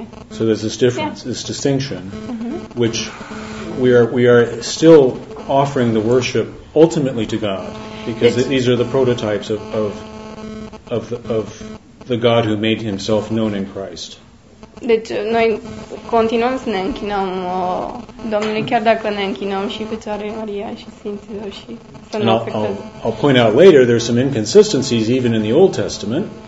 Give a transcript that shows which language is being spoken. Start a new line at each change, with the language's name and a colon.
English: So there's this difference, this distinction, mm-hmm. which we are still offering the worship ultimately to God, because these are the prototypes of the God who made himself known in Christ.
Romanian: Deci noi continuăm să ne închinăm Domnului, chiar dacă ne închinăm și Fecioarei Maria și Sfinților și să ne afectăm.
English: I'll point out later there's some inconsistencies even in the Old Testament.